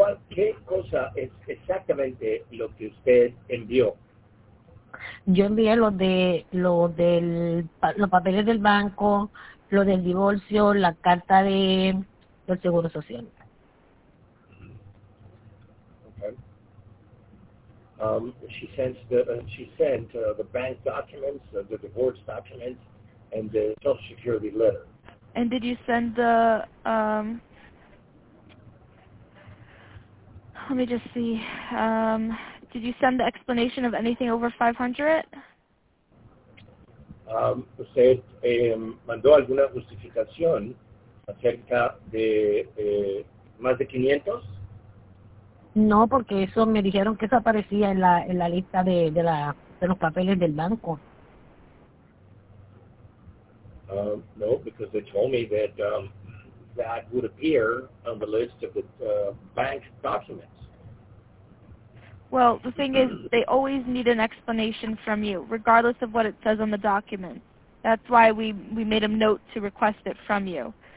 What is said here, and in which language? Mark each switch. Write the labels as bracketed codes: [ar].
[es] ¿Qué cosa es exactamente lo que usted envió? Yo envié los papeles del banco, lo del divorcio, la carta de del seguro social. [en] She sent the bank documents, the divorce documents, and the Social Security letter. And did you send the, let me just see, did you send the explanation of anything over 500? [es] Usted mandó alguna justificación acerca de más de 500? No, porque eso me dijeron que eso aparecía en la lista de los papeles del banco. [en] No, because they told me that that would appear on the list of the bank documents. Well, the thing is, they always need an explanation from you, regardless of what it says on the document. That's why we made a note to request it from you.